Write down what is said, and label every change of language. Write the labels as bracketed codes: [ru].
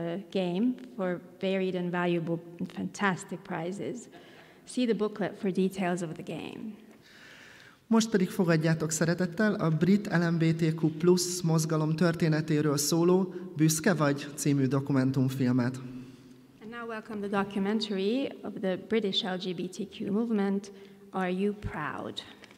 [en] game for varied and valuable and fantastic prizes. See the booklet for details of the game. [hu] Most pedig fogadjátok szeretettel a brit LMBTQ+ mozgalom történetéről szóló Büszke vagy című dokumentumfilmet. [en] And now welcome the documentary of the British LGBTQ movement, Are You Proud?